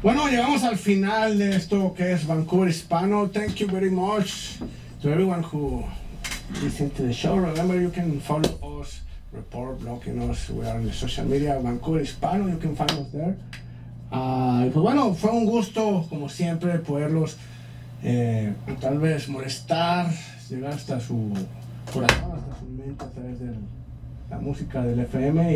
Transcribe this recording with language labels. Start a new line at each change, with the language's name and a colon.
Spanish: Llegamos al final de esto que es Vancouver Hispano.
English: Thank you very much to everyone who listened to the show. Remember, you can follow us, report, blocking us. We are on the social media, Vancouver Hispano. You can find us there.
Spanish: Pues bueno, fue un gusto, como siempre, poderlos tal vez molestar, llegar hasta su corazón, hasta su mente a través de la música del FM.